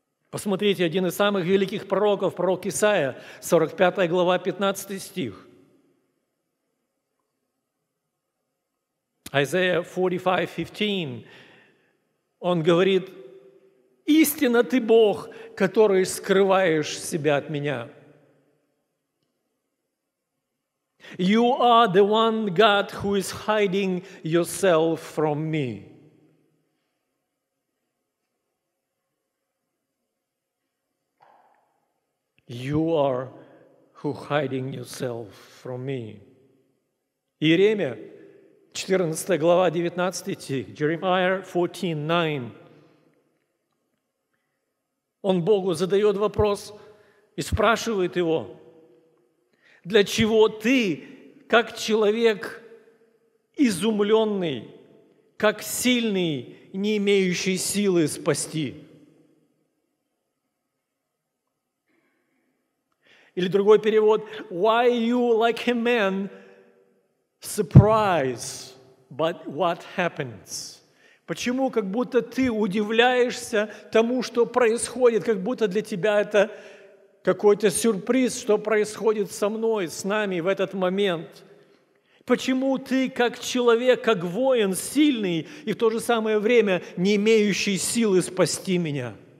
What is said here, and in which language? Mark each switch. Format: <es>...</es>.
<ru>Посмотрите, один из самых великих пророков, пророк Исаия, 45 глава, 15 стих.</ru> <en>Isaiah 45, 15.</en> <ru>Он говорит, «Истинно ты Бог, который скрываешь себя от меня».</ru> <en>You are the one God who is hiding yourself from me. You are who hiding yourself from me.</en> <ru>Иеремия, 14 глава, 19 стих.</ru> <en>Jeremiah 14, 9.</en> <ru>Он Богу задает вопрос и спрашивает его, для чего ты, как человек изумленный, как сильный, не имеющий силы спасти? Или другой перевод.</ru> <en>Why you like a man surprised by what happens?</en> <ru>Почему как будто ты удивляешься тому, что происходит, как будто для тебя это... Какой-то сюрприз, что происходит со мной, с нами в этот момент. Почему ты, как человек, как воин, сильный и в то же самое время не имеющий силы спасти меня?</ru>